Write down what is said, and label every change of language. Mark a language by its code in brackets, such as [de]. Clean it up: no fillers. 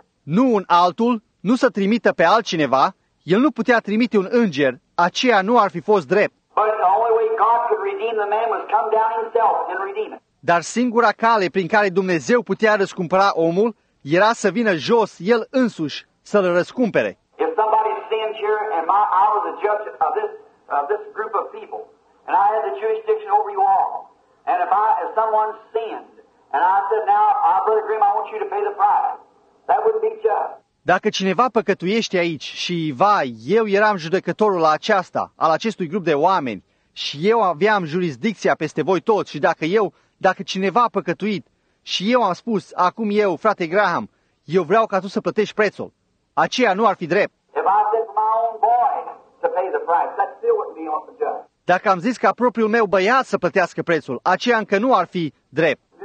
[ro] Nu un altul, nu să trimită pe altcineva, el nu putea trimite un înger, aceea nu ar fi fost drept. [en] But the only way God could redeem the man was come down himself and redeem it. [ro] Dar singura cale prin care Dumnezeu putea răscumpăra omul era să vină jos el însuși să-l răscumpere. [en] If somebody sinned here and I was a judge of this group of people and I had the jurisdiction over you all and if someone sinned. And I said, now, Brother Grimm, I want you to pay the price. That wouldn't be just. [ro] Dacă cineva păcătuiește aici și, vai, eu eram judecătorul al acestui grup de oameni și eu aveam jurisdicția peste voi toți și dacă cineva a păcătuit și eu am spus, acum eu, frate Graham, eu vreau ca tu să plătești prețul, aceea nu ar fi drept. [en] If I said for my own boy to pay the price, that still wouldn't be on the judge. [ro] Dacă am zis ca propriul meu băiat să plătească prețul, aceea încă nu ar fi drept.